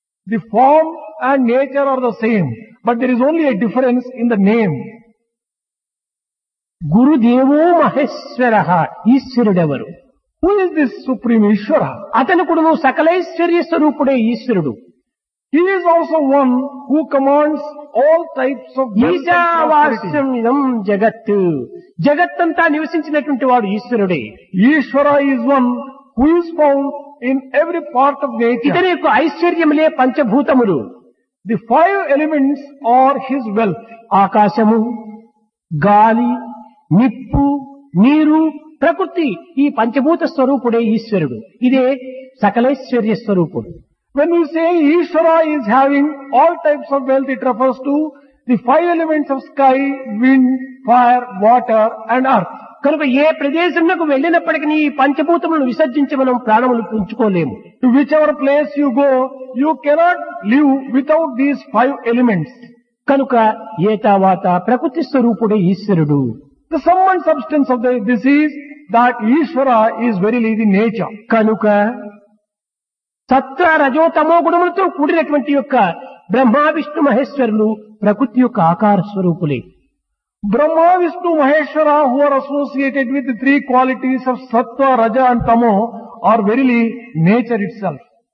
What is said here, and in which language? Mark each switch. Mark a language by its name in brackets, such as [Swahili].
[English] The form and nature are the same but there is only a difference in the name. [Sanskrit] గురుదేవో Maheshwara. [Telugu] ఈశ్వరుడెవరు? [English] Who is this supreme Ishwara? [Telugu] అతను కూడా సకలైశ్వర్య స్వరూపుడే ఈశ్వరుడు. [English] He is also one who commands all types of [Sanskrit] ఈశావాస్యం జగత్. [Telugu] జగత్తంతా నివసించినటువంటి వాడు ఈశ్వరుడే. [English] Ishwara is one who is found in every part of nature. [Telugu] ఇతని యొక్క ఐశ్వర్యములే పంచభూతములు. [English] The five elements are his wealth. [Telugu] ఆకాశము, గాలి, నిప్పు, నీరు, ప్రకృతి, ఈ పంచభూత స్వరూపుడే ఈశ్వరుడు. ఇదే సకలైశ్వర్య స్వరూపుడు. [English] When we say Ishvara is having all types of wealth, it refers to the five elements of sky, wind, fire, water and earth. [Telugu] కనుక ఏ ప్రదేశంలోకి వెళ్ళినప్పటికీ ఈ పంచభూతములను విసర్జించి మనం ప్రాణములు పుంచుకోలేము. [English] To whichever place you go you cannot live without these five elements. [Telugu] కనుక ఏతావాత ప్రకృతి స్వరూపుడే ఈశ్వరుడు. [English] The sum and substance of this is that Ishvara is verily the nature. [Telugu] కనుక సత్వ రజో తమో గుణములతో కూడినటువంటి యొక్క బ్రహ్మా విష్ణు మహేశ్వరులు ప్రకృతి యొక్క ఆకార స్వరూపులే. [English] Brahma Vishnu Maheshwara who are associated with three qualities of sattva raja and tamo are verily nature itself.